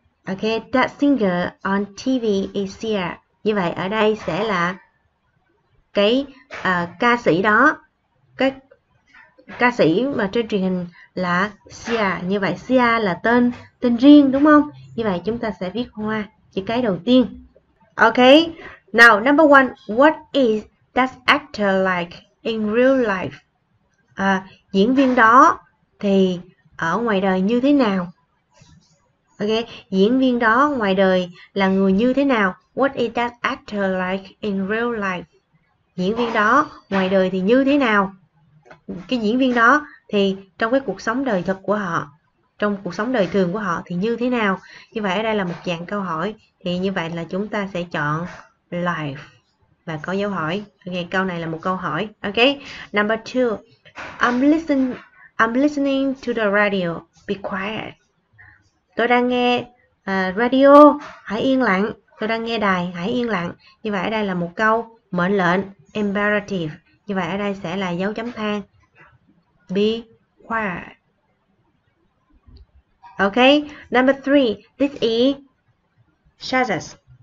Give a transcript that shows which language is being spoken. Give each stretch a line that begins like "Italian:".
English: Ok, that singer on TV is Sear.
Vietnamese: Như vậy ở đây sẽ là cái ca sĩ đó, cái ca sĩ mà trên truyền hình là Sia. Như vậy Sia là tên tên riêng đúng không? Như vậy chúng ta sẽ viết hoa chữ cái đầu tiên.
English: Ok. Now number one, what is that actor like in real life?
Vietnamese: Diễn viên đó thì ở ngoài đời như thế nào? Ok, diễn viên đó ngoài đời là người như thế nào?
English: What is that actor like in real life?
Vietnamese: Diễn viên đó ngoài đời thì như thế nào? Cái diễn viên đó thì trong cái cuộc sống đời thực của họ, trong cuộc sống đời thường của họ thì như thế nào? Như vậy ở đây là một dạng câu hỏi, thì như vậy là chúng ta sẽ chọn life và có dấu hỏi. Ok, câu này là một câu hỏi.
English: Ok, number two, I'm listening to the radio, be quiet.
Vietnamese: Tôi đang nghe radio, hãy yên lặng. Tôi đang nghe đài, hãy yên lặng. Như vậy ở đây là một câu mệnh lệnh, imperative. Như vậy ở đây sẽ là dấu chấm than.
English: Be quiet. Ok, number 3, this is Shazas.